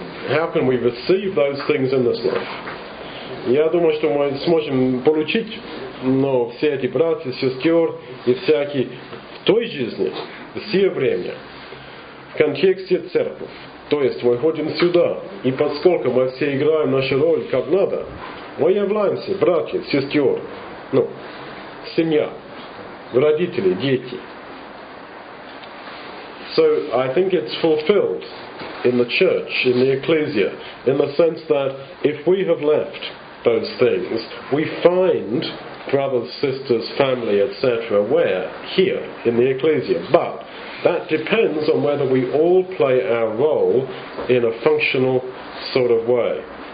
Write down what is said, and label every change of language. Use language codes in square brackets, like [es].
[en] How can we receive those things in this life? [ru] Я думаю, что мы сможем получить, но все эти братья, сестер и всякие в той жизни, все время, в контексте церкви. То есть мы ходим сюда, и поскольку мы все играем нашу роль как надо, мы являемся братья, сестер, ну, семья, родители, дети. [en] So I think it's fulfilled in the church, in the ecclesia, in the sense that if we have left those things, we find brothers, sisters, family, etc. where? Here, in the ecclesia. But that depends on whether we all play our role in a functional sort of way.